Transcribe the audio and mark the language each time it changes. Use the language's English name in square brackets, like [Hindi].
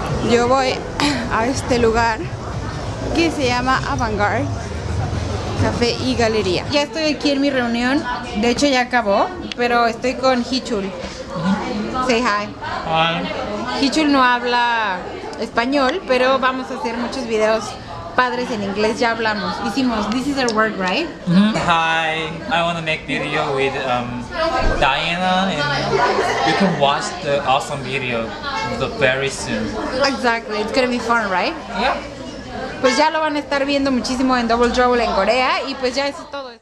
[Spanish] Yo voy a este lugar que se llama Avantgarde Café y Galería. Ya estoy aquí en mi reunión, de hecho ya acabó, pero estoy con Hechul. [English] Say hi. Hi. [Spanish] Hechul no habla español, pero vamos a hacer muchos videos padres en inglés, ya hablamos. Hicimos, [English] this is our work, right? Mm-hmm. Hi, I want to make video with Diana, and you can watch the awesome video very soon. Exactly, it's gonna be fun, right? Yeah. [Spanish] Pues ya lo van a estar viendo muchísimo en Double Trouble en Corea, y pues ya eso es todo.